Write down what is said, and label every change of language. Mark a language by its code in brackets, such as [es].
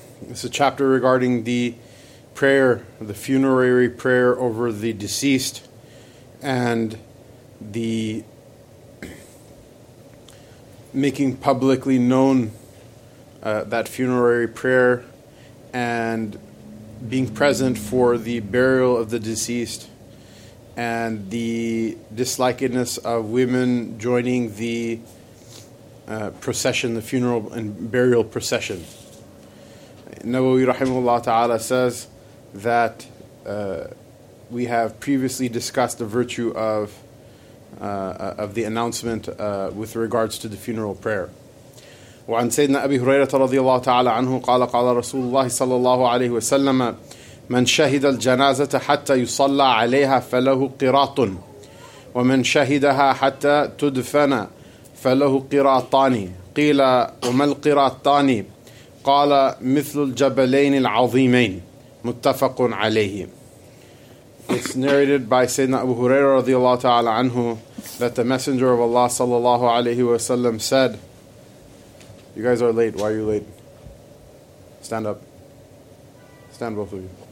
[en] It's a chapter regarding the prayer, the funerary prayer over the deceased, and the making publicly known that funerary prayer and being present for the burial of the deceased, and the dislikeness of women joining the procession, the funeral and burial procession. Nawawi rahimahullah ta'ala says that we have previously discussed the virtue of the announcement with regards to the funeral prayer. [ar] وعن سيدنا أبي هريرة رضي الله تعالى عنه قال قال رسول الله صلى الله عليه وسلم من شهد الجنازة حتى يصلى عليها فله قراط ومن شهدها حتى تدفن فله قراطان قيل وما القراطان قال مثل الجبلين العظيمين متفق عليه. [en] It's narrated by Sayyidina Abu Huraira radiallahu ta'ala anhu that the Messenger of Allah sallallahu alayhi wa sallam said, you guys are late, why are you late? Stand up. Stand both of you.